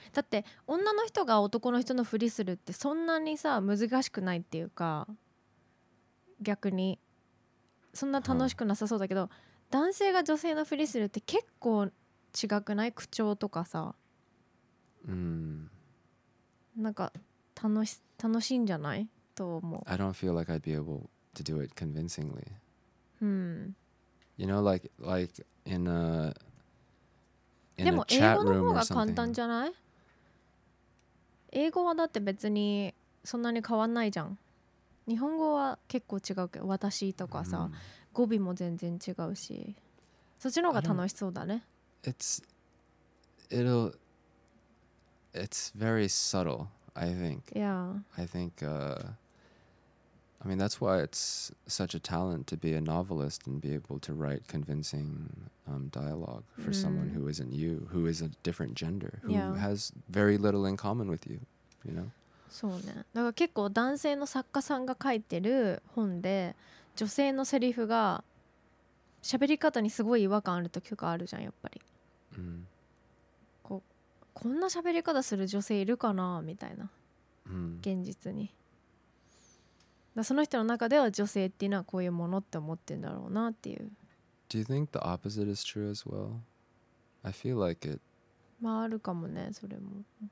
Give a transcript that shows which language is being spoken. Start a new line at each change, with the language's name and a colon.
Japanese: だって女の人が男の人のふりするってそんなにさ難しくないっていうか、逆にそんな楽しくなさそうだけど、男性が女性のふりするって結構違くない？口調とかさ、なんか楽しいんじゃないと思う。
English: I don't feel like I'd be able to do it convincingly. You know, like in a chat room or something.
Japanese: でも英語の方が簡単じゃない？英語はだって別にそんなに変わんないじゃん。日本語は結構違うけど、私とかさ、語尾も全然違うし、そっちの方が楽しそうだね。
English: It's very subtle, I think. Yeah. I think, I mean, that's why it's such a talent to be a novelist and be able to write convincing dialogue for someone who isn't you, who is a different gender, who has very little in common with you, you know?
Japanese: そうね。だから結構男性の作家さんが書いてる本で、女性のセリフが喋り方にすごい違和感ある時とかあるじゃん、やっぱり。こんな喋り方する女性いるかなみたいな。現実に。その人の中では女性っていうのはこういうものって思ってるんだろうなっていう。
English: Do you think the opposite is true as well? I feel like it.
Japanese: まああるかもね、それも。